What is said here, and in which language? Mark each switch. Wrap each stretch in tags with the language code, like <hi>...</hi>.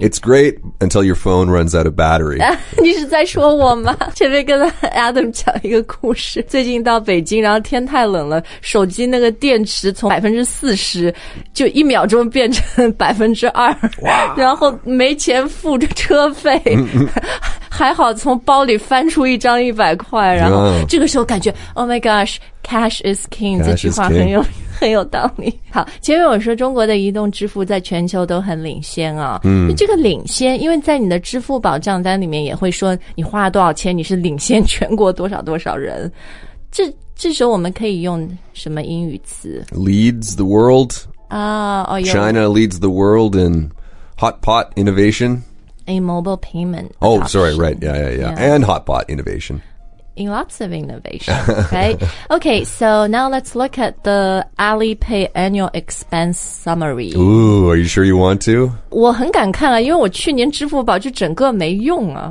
<en>it's great until your phone runs out of battery</en> <zh>你是在说我吗前面跟 Adam 讲一个故事最近到北京然后天太冷了手机那个电池从 40% 就一秒钟变成 2% 然后没钱付车费还好从包里翻出一张100块然后这个时候感觉、</zh> <en>yeah. Oh my gosh, cash is king, cash</en> <zh>这句话很有道理。好前面我说中国的移动支付在全球都很领先啊、嗯、这个领先因为在你的支付宝账单里面也会说你花了多少钱你是领先全国多少多少人。这时候我们可以用什么英语词</zh> <en>?Leads the world? Oh, China leads the world in hot pot innovation? A mobile payment. Oh, adoption. Sorry. Right. Yeah. And hot pot innovation. In lots of innovation. Okay. Okay. So now let's look at the Alipay annual expense summary. Ooh, are you sure you want to?</en> <zh>我很敢看啊，因为我去年支付宝就整个没用啊。</zh>